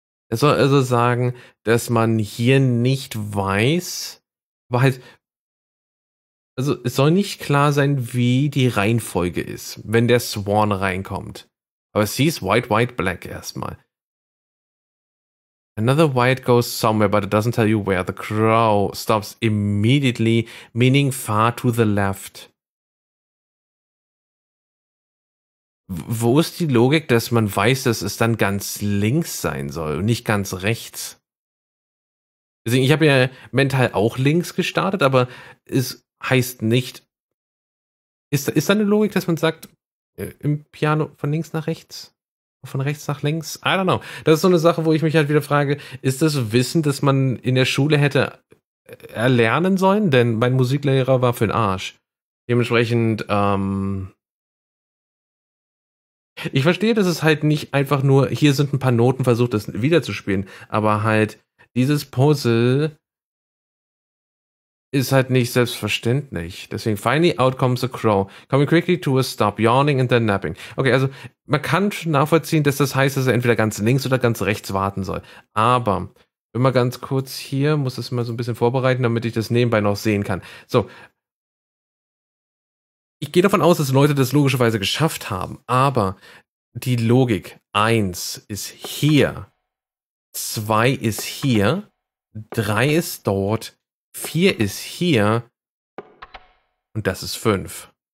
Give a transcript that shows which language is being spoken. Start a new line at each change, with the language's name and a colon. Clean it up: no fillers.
German: Es soll also sagen, dass man hier nicht weiß, weil, also es soll nicht klar sein, wie die Reihenfolge ist, wenn der Swan reinkommt. Aber es hieß
English: white, white, black
German: erstmal.
English: Another white goes somewhere, but it doesn't tell you where. The crow stops immediately, meaning far to the left.
German: Wo ist die Logik, dass man weiß, dass es dann ganz links sein soll und nicht ganz rechts? Deswegen, ich habe ja mental auch links gestartet, aber es heißt nicht... Ist da eine Logik, dass man sagt, im Piano von links nach rechts? Von rechts nach links?
English: I don't know.
German: Das ist so eine Sache, wo ich mich halt wieder frage, ist das Wissen, das man in der Schule hätte erlernen sollen? Denn mein Musiklehrer war für den Arsch. Dementsprechend, ich verstehe, dass es halt nicht einfach nur, hier sind ein paar Noten, versucht das wiederzuspielen, aber halt, dieses Puzzle ist halt nicht selbstverständlich.
English: Deswegen, finally out comes a crow, coming quickly to a stop, yawning and then napping.
German: Okay, also, man kann schon nachvollziehen, dass das heißt, dass er entweder ganz links oder ganz rechts warten soll. Aber, immer ganz kurz hier, muss das mal so ein bisschen vorbereiten, damit ich das nebenbei noch sehen kann. So, ich gehe davon aus, dass Leute das logischerweise geschafft haben, aber die Logik 1 ist hier, 2 ist hier, 3 ist dort, 4 ist hier und das ist 5.